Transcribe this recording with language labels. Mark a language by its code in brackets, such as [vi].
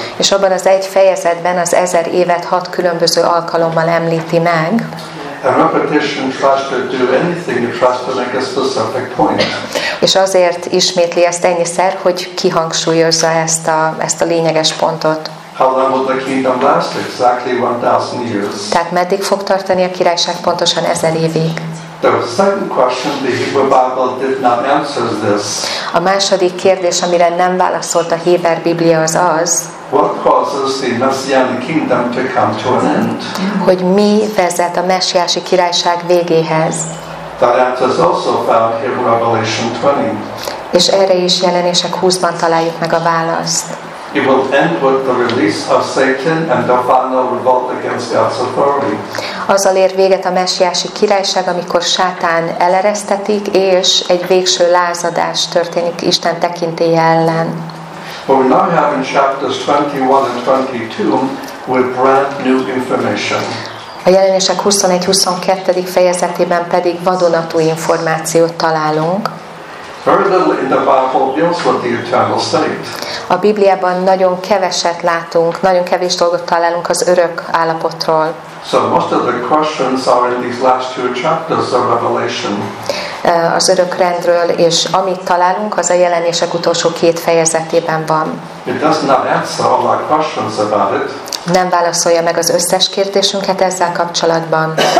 [hu] És abban az egy fejezetben az 1000 évet 6 különböző alkalommal említi meg. [en] A repetition tries to do anything, it tries to make a specific point. [hu] És azért ismétli ezt ennyiszer, hogy kihangsúlyozza ezt a lényeges pontot. [en] How long will the kingdom last? Exactly 1,000 years. [hu] Tehát meddig fog tartani a királyság? Pontosan 1000 évig. [en] The second question the Hebrew Bible did not answer this. [hu] A második kérdés, amire nem válaszolt a Héber Biblia, az az, [en] what causes the Messianic kingdom to come to an end? [hu] Hogy mi vezet a messiási királyság végéhez? [en] That answer is also found here in Revelation 20. [hu] És erre is Jelenések 20-ban találjuk meg a választ. [en] It will end with the release of Satan and the final revolt against God's authority. [hu] Azzal ér véget a messiási királyság, amikor Sátán eleresztetik, és egy végső lázadás történik Isten tekintélye ellen. [en] But we now have in chapters 21 and 22 with brand new information. [hu] A Jelenések 21-22. Fejezetében pedig vadonatúj információt találunk. [en] Very little in the Bible deals with the eternal state. [hu] A Bibliában nagyon keveset látunk, nagyon kevés dolgot találunk az örök állapotról. [en] So most of the questions are in these last two chapters of Revelation. [hu] Az örök rendről, és amit találunk, az a Jelenések utolsó két fejezetében van. [en] It does not answer all our questions about it. [hu] Nem válaszolja meg az összes kérdésünket ezzel kapcsolatban.